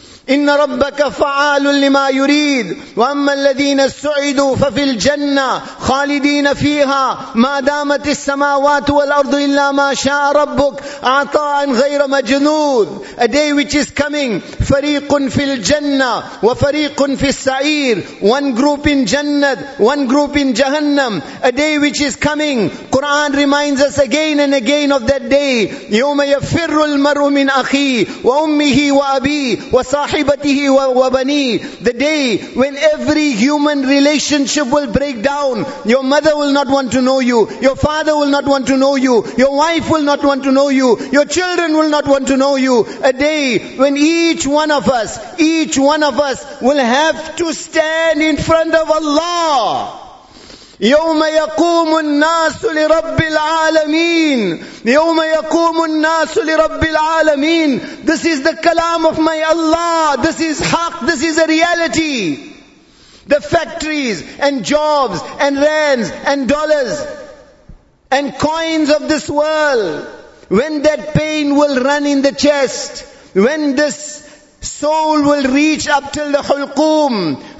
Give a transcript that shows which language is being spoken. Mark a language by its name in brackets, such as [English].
[Arabic] إن ربك فعال لما يريد وأما الذين سعدوا ففي الجنة خالدين فيها ما دامت السماوات والأرض إلا ما شاء ربك عطاء غير مجنود. [English] A day which is coming, [Arabic] فريق في الجنة وفريق في السعير. [English] One group in Jannah, one group in Jahannam. A day which is coming. Quran reminds us again and again of that day. [Arabic] يوم يفر المرء من أخيه وأمه وأبيه وصاحبه. [English] The day when every human relationship will break down. Your mother will not want to know you. Your father will not want to know you. Your wife will not want to know you. Your children will not want to know you. A day when each one of us will have to stand in front of Allah. [Arabic] يوم يقوم الناس لرب العالمين. يوم يقوم الناس لرب العالمين. [English] This is the kalam of my Allah. This is haq. This is a reality. The factories and jobs and rands and dollars and coins of this world, when that pain will run in the chest, when this soul will reach up till the hulqum.